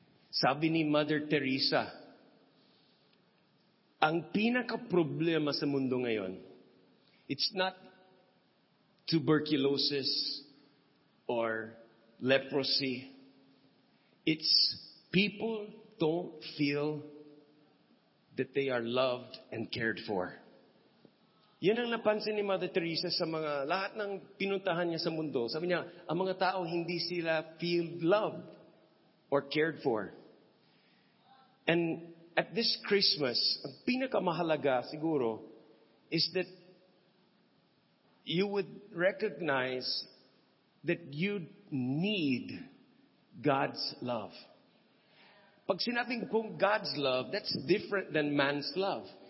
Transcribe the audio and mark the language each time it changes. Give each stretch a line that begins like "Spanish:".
Filipino: Sabi ni Mother Teresa, ang pinaka-problema sa mundo ngayon,
English: it's not tuberculosis or leprosy. It's people don't feel that they are loved and cared for.
Filipino: Yan ang napansin ni Mother Teresa sa mga lahat ng pinuntahan niya sa mundo. Sabi niya, ang mga tao hindi sila
English: feel loved or cared for. And at this Christmas,
Filipino: ang pinakamahalaga siguro
English: is that you would recognize that you need God's love.
Filipino: Pag sinabing kung
English: God's love, that's different than man's love.